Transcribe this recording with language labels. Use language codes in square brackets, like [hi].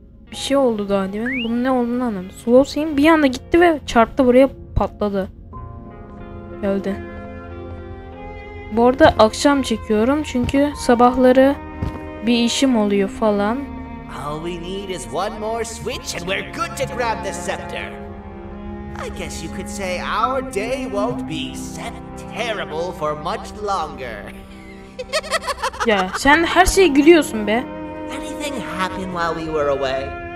[tr] Bir şey oldu daha demin. Bunun ne olduğunu anladım. Slow Sim bir anda gitti ve çarptı buraya patladı. Geldi. Bu arada akşam çekiyorum çünkü sabahları bir işim oluyor falan. [en] All we need is one more switch and we're good to grab the scepter. I guess you could say our day won't be set terrible for much longer. [tr] Ya sen her şeye gülüyorsun be. [en] Anything happened while we were away?